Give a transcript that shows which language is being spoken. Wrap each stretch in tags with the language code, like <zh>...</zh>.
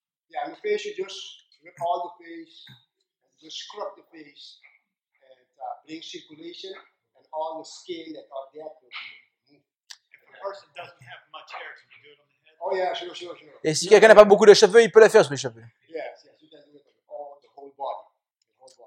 <en>Yeah, the face, you just rip all the face, just scrub the face, and bring circulation, and all the skin that are there will be removed. If a person doesn't have much hair, can you do it on the head? Oh yeah, sure.</en> <fr>Et si quelqu'un n'a pas beaucoup de cheveux, il peut le faire sur les cheveux.</fr> <en>Yes, you can do it on the whole body.</en>